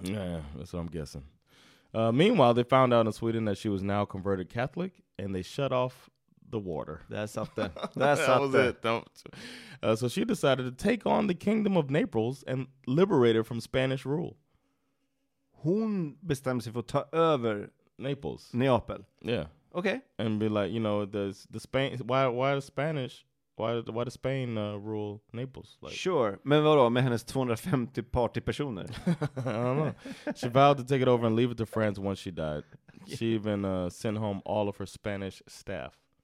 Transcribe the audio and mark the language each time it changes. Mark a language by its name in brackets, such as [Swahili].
[English] Yeah, that's what I'm guessing. Meanwhile, they found out in Sweden that she was now converted Catholic, and they shut off the water. That's something. That's something. That was it. Don't. So she decided to take on the kingdom of Naples and liberate her from Spanish rule. [Swedish] Hon bestämde sig för att ta över [English] Naples. [Swedish] Neapel. [English] Yeah. Okay. And be like, you know, the Spanish, why the Spanish Why does Spain rule Naples? Like? Sure. [Swedish] Men vadå, med hennes 250 partypersoner? [English] I don't know. She vowed to take it over and leave it to France once she died. Yeah. She even sent home all of her Spanish staff.